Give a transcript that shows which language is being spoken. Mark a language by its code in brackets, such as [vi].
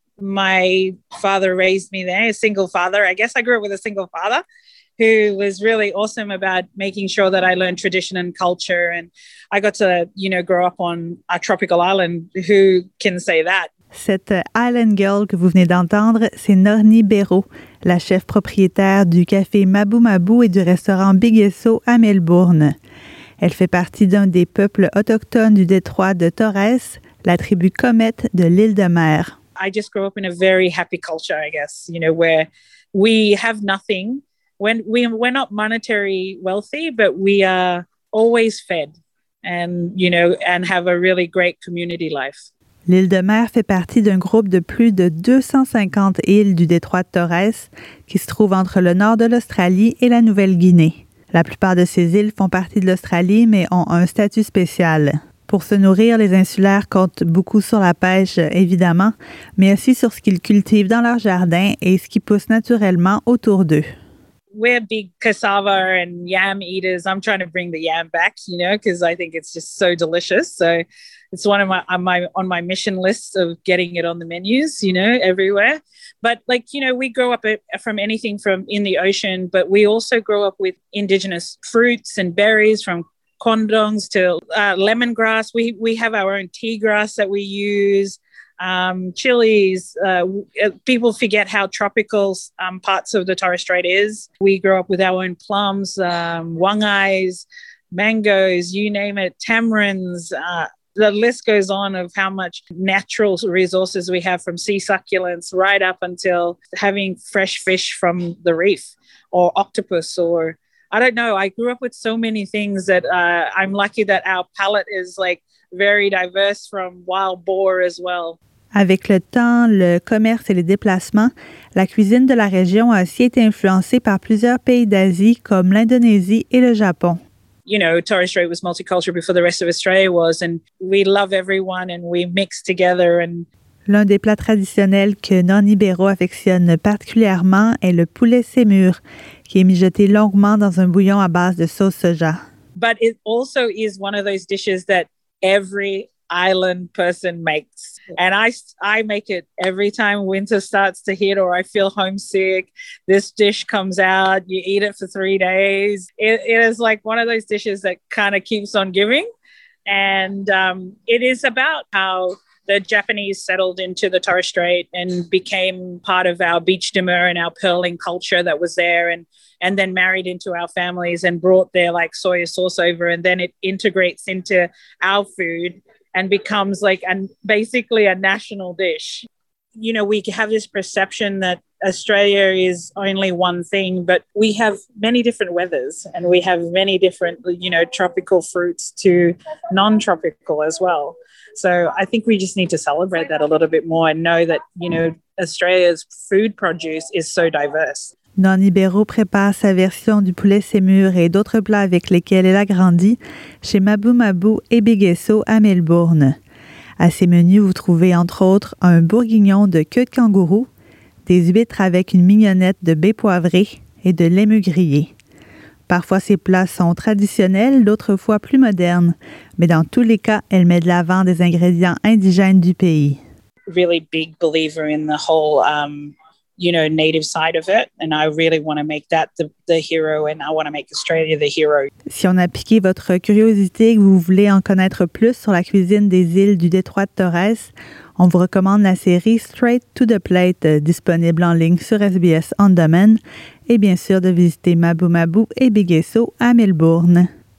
[en] My father raised me there, a single father. I guess I grew up with a single father who was really awesome about making sure that I learned tradition and culture. And I got to, you know, grow up on a tropical island. Who can say that? [fr] Cette [en] island girl [fr] que vous venez d'entendre, c'est Noni Bero, la chef propriétaire du café Mabou Mabou et du restaurant Big Esso à Melbourne. Elle fait partie d'un des peuples autochtones du détroit de Torres, la tribu Comet de l'île de Mer. [en] I just grew up in a very happy culture, I guess, you know, where we have nothing. We're not monetary wealthy, but we are always fed and, you know, and have a really great community life. [fr] L'île de Mer fait partie d'un groupe de plus de 250 îles du détroit de Torres qui se trouve entre le nord de l'Australie et la Nouvelle-Guinée. La plupart de ces îles font partie de l'Australie, mais ont un statut spécial. Pour se nourrir, les insulaires comptent beaucoup sur la pêche, évidemment, mais aussi sur ce qu'ils cultivent dans leur jardin et ce qui pousse naturellement autour d'eux. [en] We're big cassava and yam eaters. I'm trying to bring the yam back, you know, because I think it's just so delicious. So it's one of my mission list of getting it on the menus, you know, everywhere. But like, you know, we grow up from anything from in the ocean, but we also grow up with indigenous fruits and berries from condoms to lemongrass. We have our own tea grass that we use, chilies. People forget how tropical parts of the Torres Strait is. We grow up with our own plums, wangais, mangoes, you name it, tamarinds. The list goes on of how much natural resources we have from sea succulents right up until having fresh fish from the reef or octopus or I don't know. I grew up with so many things that I'm lucky that our palate is like very diverse from wild boar as well. [fr] Avec le temps, le commerce et les déplacements, la cuisine de la région a aussi été influencée par plusieurs pays d'Asie comme l'Indonésie et le Japon. [en] You know, Torres Strait was multicultural before the rest of Australia was, and we love everyone and we mix together. And [fr] l'un des plats traditionnels que Noni Bero affectionne particulièrement est le poulet sémur, qui est mijoté longuement dans un bouillon à base de sauce soja. [en] But it also is one of those dishes that every island person makes. And I make it every time winter starts to hit or I feel homesick. This dish comes out, you eat it for 3 days. It is like one of those dishes that kind of keeps on giving. And it is about how the Japanese settled into the Torres Strait and became part of our beach demur and our pearling culture that was there and then married into our families and brought their like soya sauce over. And then it integrates into our food and becomes like basically a national dish. You know, we have this perception that Australia is only one thing, but we have many different weathers and we have many different, you know, tropical fruits to non-tropical as well. So I think we just need to celebrate that a little bit more and know that, you know, Australia's food produce is so diverse. [fr] Nonni Béraud prépare sa version du poulet sémur et d'autres plats avec lesquels elle a grandi chez Mabou Mabou et Bigesso à Melbourne. À ses menus, vous trouvez entre autres un bourguignon de queue de kangourou, des huîtres avec une mignonnette de baie poivrée et de l'aimu grillé. Parfois, ces plats sont traditionnels, d'autres fois plus modernes, mais dans tous les cas, elle met de l'avant des ingrédients indigènes du pays. [en] Really big believer in the whole, you know, native side of it, and I really want to make that the hero, and I want to make Australia the hero. [fr] Si on a piqué votre curiosité et que vous voulez en connaître plus sur la cuisine des îles du détroit de Torres, on vous recommande la série Straight to the Plate, disponible en ligne sur SBS On Demand, et bien sûr de visiter Mabou Mabou et Bigesso à Melbourne.